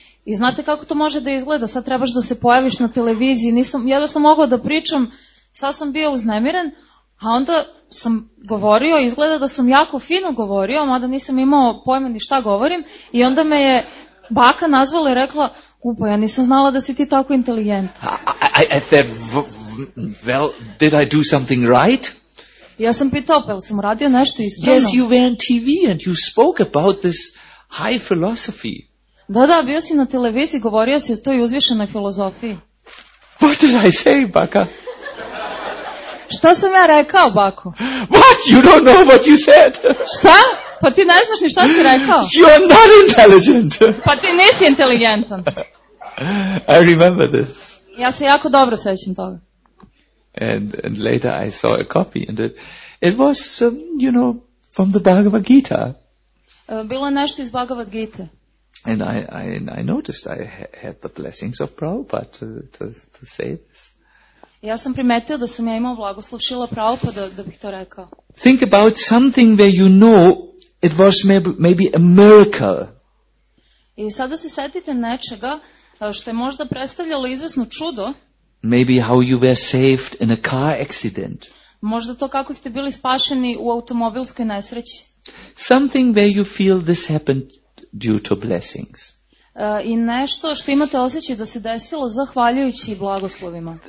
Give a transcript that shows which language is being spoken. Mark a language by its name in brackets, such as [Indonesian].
[Serbian] I znate kako to može da izgleda, sad trebaš da se pojaviš na televiziji, jedva sam mogla da pričam, sad sam bio uznemiren, a onda sam govorio, izgleda da sam jako fino govorio, mada nisam imao pojma ni šta govorim, i onda me je baka nazvala i rekla, upa, ja nisam znala da si ti tako inteligentan. [English] I said, well, did I do something right? [Serbian] Ja sam pitao, pa jel sam uradio nešto ispravno? [English] Yes, you were on TV and you spoke about this high philosophy. [Serbian] Da, bio si na televiziji, govorio si o toj uzvišenoj filozofiji. [English] What did I say, baka? [Serbian] Šta sam ja rekao, bako? [English] What? You don't know what you said. [Serbian] Šta? Pa ti ne znaš ni šta si rekao. [English] You are not intelligent. [Serbian] Pa ti nisi inteligentan. [English] I remember this. [Serbian] Ja se jako dobro sećam toga. [English] And later I saw a copy and it was, you know, from the Bhagavad Gita. [Serbian] Bilo je nešto iz Bhagavad Gita. [English] And I noticed I had the blessings of Prabhupada to say this. [Serbian] Ja sam primetio da sam ja imao blagoslov Šila Prabhupada da bih to rekao. [English] Think about something where you know it was maybe a miracle. [Serbian] I sada se setite nečega što je možda predstavljalo izvesno čudo. [English] Maybe how you were saved in a car accident. [Serbian] Možda to kako ste bili spašeni u automobilskoj nesreći. [English] Something where you feel this happened due to blessings. [Serbian] I nešto što imate osjećaj da se desilo zahvaljujući blagoslovima.